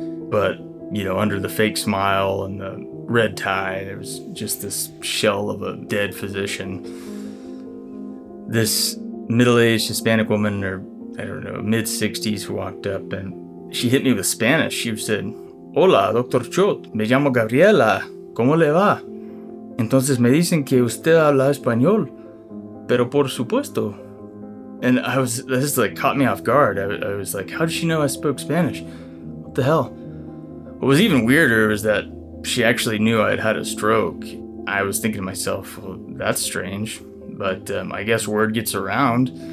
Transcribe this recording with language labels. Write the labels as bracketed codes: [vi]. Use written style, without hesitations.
[en] But, you know, under the fake smile and the red tie, there was just this shell of a dead physician. This middle-aged Hispanic woman, or I don't know, mid-60s, walked up and she hit me with Spanish. She said, [es] hola, [en] Dr. [es] Chot, me llamo Gabriela, ¿cómo le va? Entonces me dicen que usted habla español, pero por supuesto. [en] And I was, this like caught me off guard. I was like, how did she know I spoke Spanish? What the hell? What was even weirder was that she actually knew I had had a stroke. I was thinking to myself, well, that's strange, but I guess word gets around.